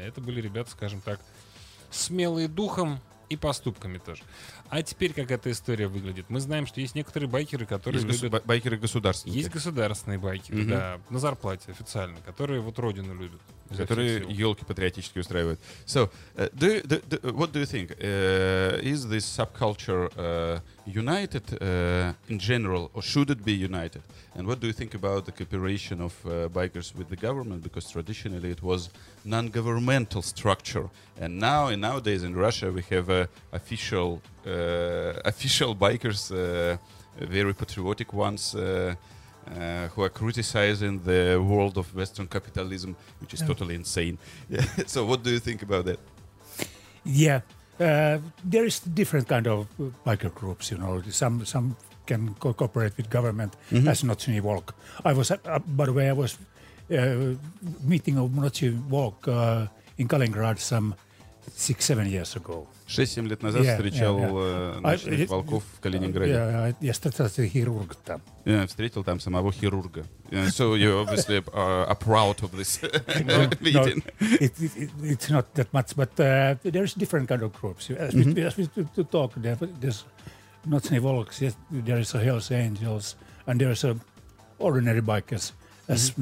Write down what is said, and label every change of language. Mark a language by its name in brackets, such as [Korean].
[Russian] Это были ребята, скажем так, смелые духом. И поступками тоже. А теперь как эта история выглядит? Мы знаем, что есть некоторые байкеры, которые есть любят... байкеры государственные. Есть государственные байкеры, угу. Да, на зарплате официально, которые вот родину любят. Которые елки патриотически устраивают. [English] So, what do you think? Is this subculture united in general, or should it be united? And what do you think about the cooperation of bikers with the government? Because traditionally it was non-governmental structure, and now in nowadays in Russia we have official bikers, very patriotic ones. Who are criticizing the world of Western capitalism, which is totally insane. So what do you think about that? Yeah, there is different kind of biker groups, you know. Some can cooperate with government, mm-hmm. as Notchi Walk. I was, by the way, I was meeting of Notchi Walk in Kaliningrad some 6-7 years ago. [Russian] 6-7 лет назад встречал ночных волков в Калининграде. Я встретил хирурга там. Встретил там самого хирурга. [English] So you obviously are proud of this meeting. No, it's not that much, but there's different kind of groups. As we talk, there's not only volks, there is a Hells Angels, and there is a ordinary bikers, as mm-hmm.